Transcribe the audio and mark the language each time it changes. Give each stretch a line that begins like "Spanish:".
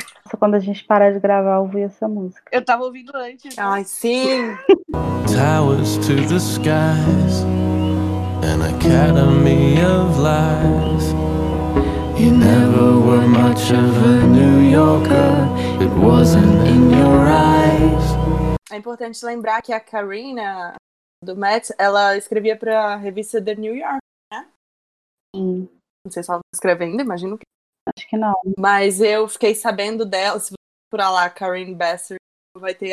Portuguese: Só quando a gente parar de gravar, eu ouvi essa música. Eu tava ouvindo antes. Ai, sim!
English: Towers to the skies an academy of lies. You never were much of a New Yorker. It wasn't in your eyes.
Portuguese: É importante lembrar que a Karina do Matt, ela escrevia para a revista The New York, né? Sim. Não sei se ela está escrevendo, imagino que. Acho que não. Mas eu fiquei sabendo dela, se você procurar lá, Karine Besser, vai ter.